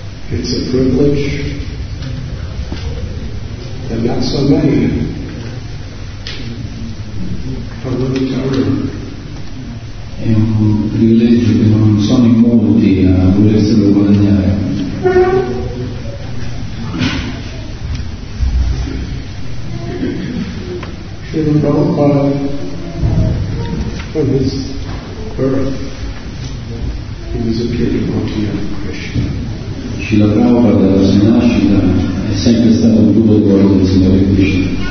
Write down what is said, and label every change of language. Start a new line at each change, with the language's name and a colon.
English: It's a privilege that not so many are willing to earn.
Italian: È un privilegio che non sono in molti a volerselo guadagnare.
English: Srila Prabhupada, from his birth, he was a pure devotee of Krishna.
Italian: Srila Prabhupada, dalla sua nascita, è sempre stato un puro devoto del Signore Krishna.